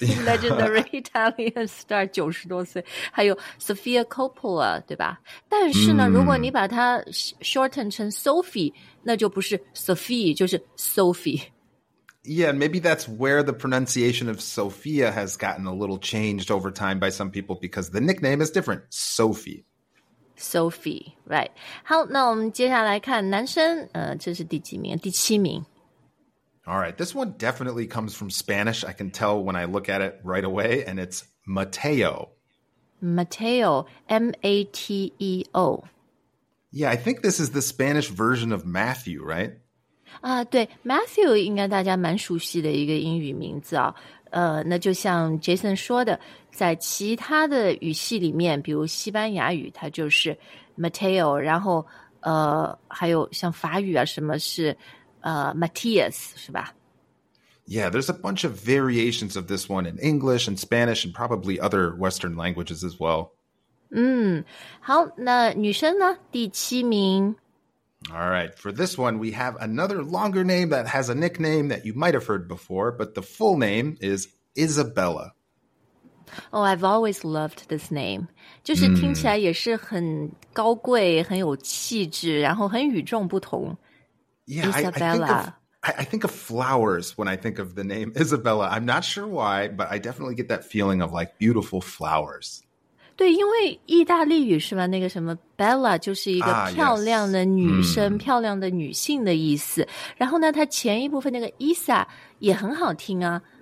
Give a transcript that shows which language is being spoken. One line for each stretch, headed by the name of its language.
English: Legendary Italian star
Chinese: 90多岁，还有 Sofia Coppola， 对吧？但是呢，如果你把它 shorten 成 Sophie， 那就不是 Sophie， 就是 Sophie。
English: Yeah, maybe that's where the pronunciation of Sophia has gotten a little changed over time by some people because the nickname is different. Sophie. Sophie, right?
Chinese: 好，那我们接下来看男生，这是第几名？第七名。
English: All right, this one definitely comes from Spanish. I can tell when I look at it right away, and it's Mateo. Mateo, M-A-T-E-O. Yeah, I think this is the Spanish version of Matthew, right?
Chinese: 对 ,Matthew 应该大家蛮熟悉的一个英语名字啊。那就像 Jason 说的，在其他的语系里面，比如西班牙语，它就是 Mateo, 然后还有像法语啊，什么是Matthias, 是吧?
English: Yeah, there's a bunch of variations of this one in English and Spanish and probably other Western languages as well.
Chinese: 好,那女生呢?第七名。
English: All right, for this one, we have another longer name that has a nickname that you might have heard before, but the full name is Isabella. Oh, I've always loved this name.
Chinese: 就是听起来也是很高贵,很有气质,然后很与众不同。
English: Yeah, I think of flowers when I think of the name Isabella. I'm not sure why, but I definitely get that feeling of like beautiful flowers.
Chinese: 对，因为意大利语是吧？那个什么 Bella 就是一个漂亮的女生、漂亮的女性的意思。然后呢，它前一部分那个 Isa 也很好听啊。